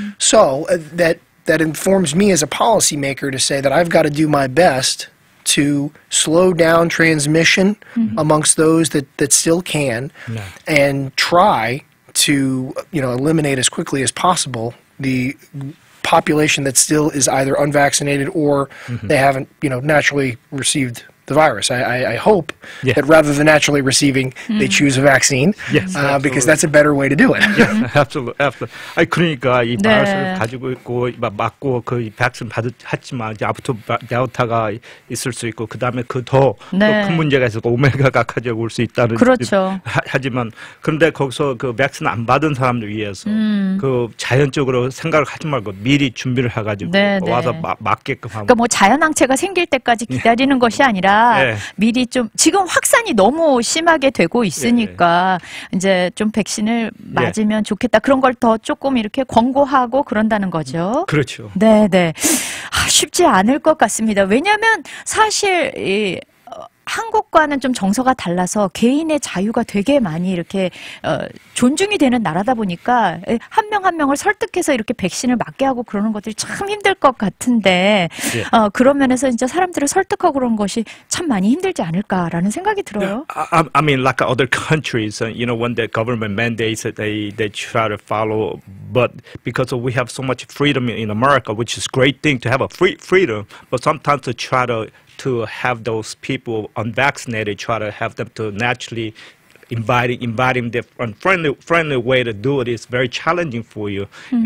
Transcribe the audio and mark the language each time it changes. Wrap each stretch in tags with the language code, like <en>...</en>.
<en>So that informs me as a policymaker to say that I've got to do my best to slow down transmission amongst those that still can and try to, you know, eliminate as quickly as possible the population that still is either unvaccinated or they haven't, you know, naturally received the virus. I hope that rather than naturally receiving, they choose a vaccine because that's a better way to do it. Yeah, absolutely. Absolutely.</en> <ko>그러니까 이 바이러스를 가지고 있고 맞고 그 백신 받았지만 이제 앞으로 델타가 있을 수 있고 그다음에 그 더 큰 문제가 있을 거 오메가가 가져올 수 있다는 그렇죠. 하지만 그런데 거기서 그 백신 안 받은 사람들 위해서 그 자연적으로 생각을 하지 말고 미리 준비를 해 가지고 와서 맞게끔 하고 그러니까 뭐 자연 항체가 생길 때까지 기다리는 것이 아니라 미리 좀 지금 확산이 너무 심하게 되고 있으니까 이제 좀 백신을 맞으면 좋겠다. 그런 걸 더 조금 이렇게 권고하고 그런다는 거죠. 그렇죠. 네, 네. 아, 쉽지 않을 것 같습니다. 왜냐면 사실 이 한국과는 좀 정서가 달라서 개인의 자유가 되게 많이 이렇게 존중이 되는 나라다 보니까 한 명 한 명을 설득해서 이렇게 백신을 맞게 하고 그러는 것들이 참 힘들 것 같은데 그런 면에서 이제 사람들을 설득하고 그런 것이 참 많이 힘들지 않을까라는 생각이 들어요.</ko> <en>I mean, like other countries, you know, when the government mandates that they try to follow, but because we have so much freedom in America, which is a great thing to have a freedom, but sometimes to try to have those people unvaccinated, try to have them to naturally inviting the friendly way to do it is very challenging for you. Mm-hmm.</en>